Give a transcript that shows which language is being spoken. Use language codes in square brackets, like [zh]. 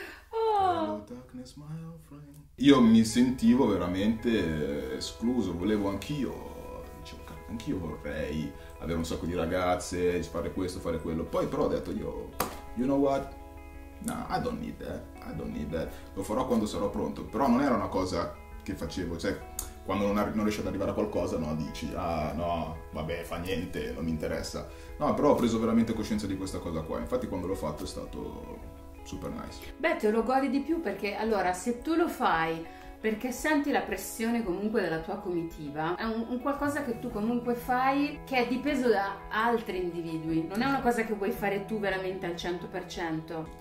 [en] Hello darkness my old friend. [it] Io mi sentivo veramente escluso, volevo anch'io, dicevo, anch'io vorrei avere un sacco di ragazze, fare questo, fare quello. Poi però ho detto io, [en] you know what? No, I don't need that, I don't need that. [it] Lo farò quando sarò pronto. Però non era una cosa che facevo, cioè, quando non riesci ad arrivare a qualcosa, no, dici, ah, no, vabbè, fa niente, non mi interessa. No, però ho preso veramente coscienza di questa cosa qua. Infatti, quando l'ho fatto è stato [en] super nice. [it] Beh, te lo godi di più perché allora, se tu lo fai perché senti la pressione comunque della tua comitiva, è un qualcosa che tu comunque fai che è dipeso da altri individui, non è una cosa che vuoi fare tu veramente al 100%.